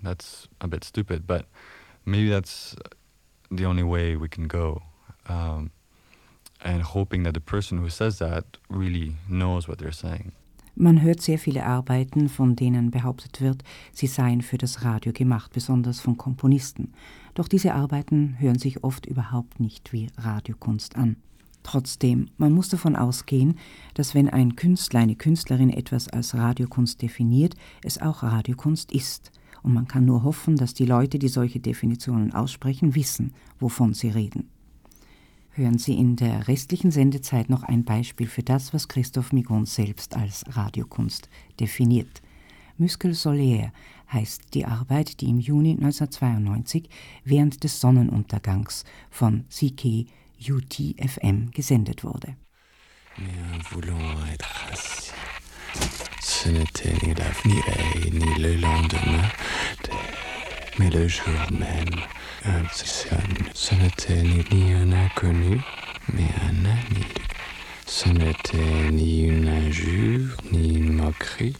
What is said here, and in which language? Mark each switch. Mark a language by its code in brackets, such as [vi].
[en] That's a bit stupid, but maybe that's the only way we can go. And hoping that the person who says that really knows what they're saying. [de] Man hört sehr viele Arbeiten, von denen behauptet wird, sie seien für das Radio gemacht, besonders von Komponisten. Doch diese Arbeiten hören sich oft überhaupt nicht wie Radiokunst an. Trotzdem, man muss davon ausgehen, dass wenn ein Künstler, eine Künstlerin etwas als Radiokunst definiert, es auch Radiokunst ist. Und man kann nur hoffen, dass die Leute, die solche Definitionen aussprechen, wissen, wovon sie reden. Hören Sie in der restlichen Sendezeit noch ein Beispiel für das, was Christoph Migon selbst als Radiokunst definiert. Muscle Solaire heißt die Arbeit, die im Juni 1992 während des Sonnenuntergangs von CK UTFM gesendet wurde. [fr] Nous voulons être assis. Ce n'était ni l'avenir ni le lendemain, mais le jour même. Ce n'était ni un inconnu, mais un ami. Ce n'était ni une injure, ni une moquerie.